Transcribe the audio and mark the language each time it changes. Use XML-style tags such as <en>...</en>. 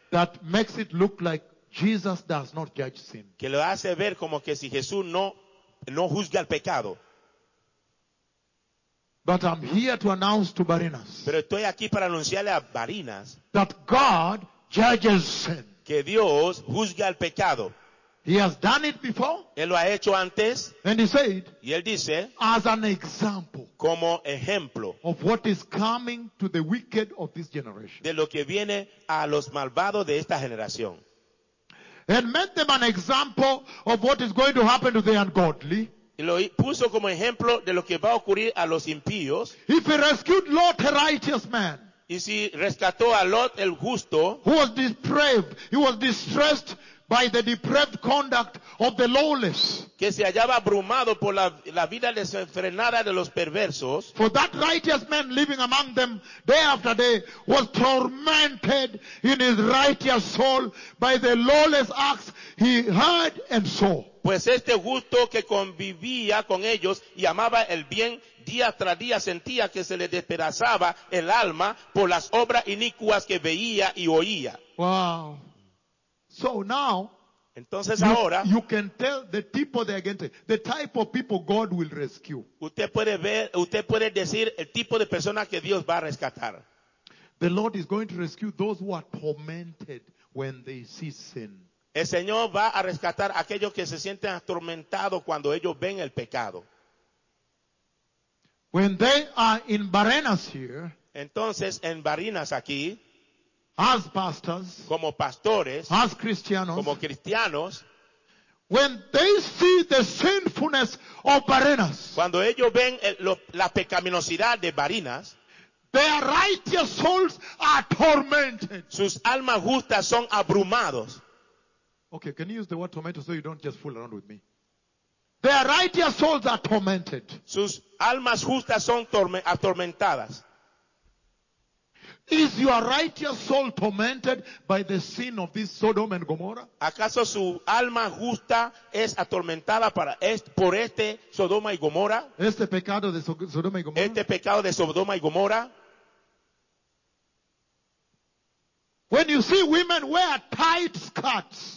<en>that makes it look like Jesus does not judge sin,</en> <es>que lo hace ver como que si Jesús no juzga el pecado.</es> <en>But I'm here to announce to Barinas,</en> <es>pero estoy aquí para anunciarle a Barinas,</es> <en>that God judges sin,</en> <es>que Dios juzga el pecado.</es> <en>He has done it before,</en> <es>él lo ha hecho antes,</es> <en>and he said,</en> <es>y él dice,</es> <en>as an example,</en> <es>como ejemplo,</es> <en>of what is coming to the wicked of this generation,</en> <es>de lo que viene a los malvados de esta generación,</es> <en>and made them an example of what is going to happen to the ungodly.</en> <es>Y lo puso como ejemplo de lo que va a ocurrir a los impíos.</es> <en>If he rescued Lot, a righteous man,</en> <es>y si rescató a Lot, el justo,</es> <en>who was depraved, he was distressed by the depraved conduct of the lawless,</en> <es>que se hallaba abrumado por la vida desenfrenada de los perversos,</es> <en>for that righteous man living among them day after day was tormented in his righteous soul by the lawless acts he heard and saw.</en> <es>Pues este justo que convivía con ellos y amaba el bien día tras día sentía que se le despedazaba el alma por las obras inicuas que veía y oía.</es> <en>Wow. So now,</en> <es>entonces ahora,</es> <en>you can tell the type they are against, the type of people God will rescue.</en> <es>Usted puede decir el tipo de persona que Dios va a rescatar.</es> <en>The Lord is going to rescue those who are tormented when they see sin.</en> <es>El Señor va a rescatar a aquellos que se sienten atormentados cuando ellos ven el pecado.</es> <en>When they are in Barinas here,</en> <es>entonces en Barinas aquí,</es> <en>as pastors,</en> <es>como pastores,</es> <en>as Christianos,</en> <es>como cristianos,</es> <en>when they see the sinfulness of Barinas,</en> <es>cuando ellos ven la pecaminosidad de Barinas,</es> <en>their righteous souls are tormented.</en> <es>Sus almas justas son abrumados.</es> <en>Okay, can you use the word tormented so you don't just fool around with me? Their righteous souls are tormented.</en> <es>Sus almas justas son atormentadas.</es> <en>Is your righteous soul tormented by the sin of this Sodom and Gomorrah?</en> <es>¿Acaso su alma justa es atormentada por este Sodoma y Gomorra? ¿Este pecado de Sodoma y Gomorra? ¿Este pecado de Sodoma y Gomorra?</es> <en>When you see women wear tight skirts,</en>